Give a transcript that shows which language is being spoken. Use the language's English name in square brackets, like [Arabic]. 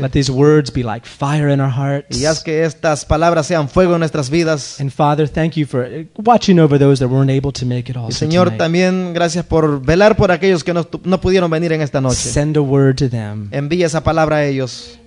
[English] Let these words be like fire in our hearts. [Spanish] Y haz que estas palabras sean fuego en nuestras vidas. [English] And Father, thank you for watching over those that weren't able to make it all. [Spanish] Señor, [English] tonight. [Spanish] También gracias por velar por aquellos que no pudieron venir en esta noche. [English] Send a word to them. [Spanish] Envía esa palabra a ellos.